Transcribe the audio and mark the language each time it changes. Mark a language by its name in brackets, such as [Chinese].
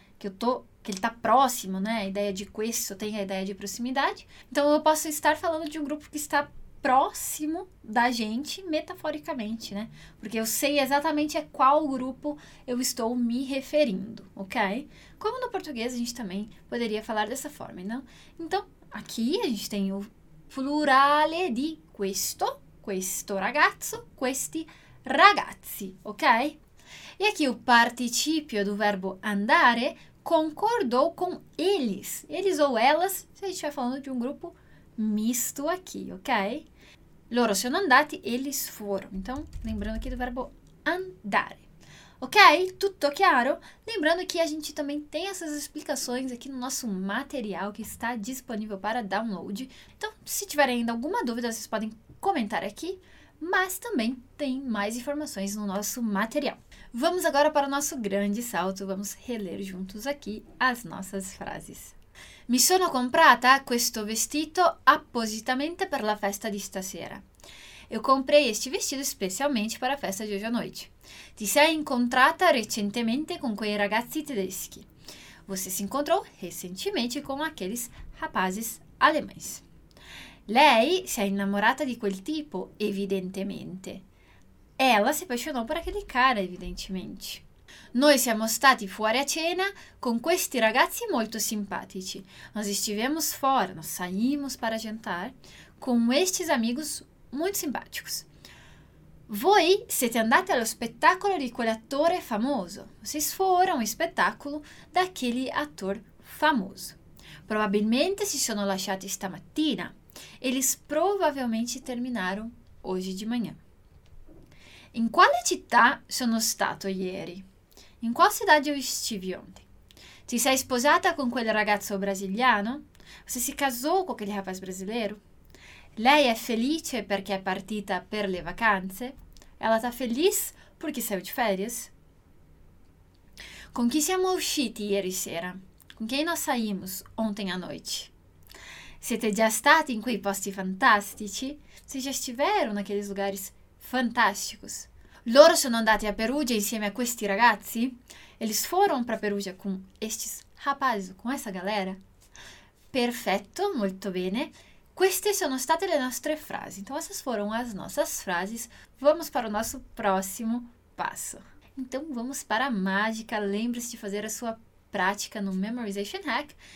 [Portuguese] Que ele está próximo, né? A ideia de questo tem a ideia de proximidade. Então, eu posso estar falando de um grupo que está próximo da gente, metaforicamente, né? Porque eu sei exatamente a qual grupo eu estou me referindo, ok? Como no português a gente também poderia falar dessa forma, não? Então, aqui a gente tem o plurale di questo, questo ragazzo, questi ragazzi, ok? E aqui o participio do verbo andare concordou com eles. Eles ou elas, se a gente estiver falando de um grupo misto aqui, ok? Loro sono andati, eles foram. Então, lembrando aqui do verbo andare. Ok? [Italian] Tutto chiaro? [Portuguese] Lembrando que a gente também tem essas explicações aqui no nosso material que está disponível para download. Então, se tiverem ainda alguma dúvida, vocês podem comentar aqui. Mas também tem mais informações no nosso material. Vamos agora para o nosso grande salto. Vamos reler juntos aqui as nossas frases. [Italian] Mi sono comprata questo vestito appositamente per la festa di stasera. [Portuguese] Eu comprei este vestido especialmente para a festa de hoje à noite. [Italian] Ti sei incontrata recentemente con quei ragazzi tedeschi. [Portuguese] Você se encontrou recentemente com aqueles rapazes alemães. [Italian] Lei si è innamorata di quel tipo, evidentemente. [Portuguese] Ela si appassionò per aquele cara, evidentemente. [Italian] Noi siamo stati fuori a cena con questi ragazzi molto simpatici. [Portuguese] Nós estivemos fora, nós saímos para jantar com estes amigos muito simpáticos. [Italian] Voi siete andati allo spettacolo di quell'attore famoso. [Portuguese] Vocês foram ao espetáculo daquele ator famoso. [Italian] Probabilmente si sono lasciati stamattina. [Portuguese] Eles provavelmente terminaram hoje de manhã. [Italian] In quale città sono stato ieri? [Portuguese] In qual cidade eu estive ontem? [Italian] Ti sei sposata con quel ragazzo brasiliano? [Portuguese] Você se casou com aquele rapaz brasileiro? [Italian] Lei è felice perché è partita per le vacanze? [Portuguese] Ela está feliz porque saiu de férias? [Italian] Con chi siamo usciti ieri sera? [Portuguese] Com quem nós saímos ontem à noite? [Italian] Siete già stati in quei posti fantastici? [Portuguese] Vocês já estiveram naqueles lugares fantásticos? [Italian] Loro sono andati a Perugia insieme a questi ragazzi? [Portuguese] Eles foram para Perugia com estes rapazes, com essa galera? [Italian] Perfetto, molto bene. Queste sono state le nostre frasi. [Portuguese] Então, essas foram as nossas frases. Vamos para o nosso próximo passo. Então, vamos para a mágica. Lembre-se de fazer a sua prática no Memorization Hack.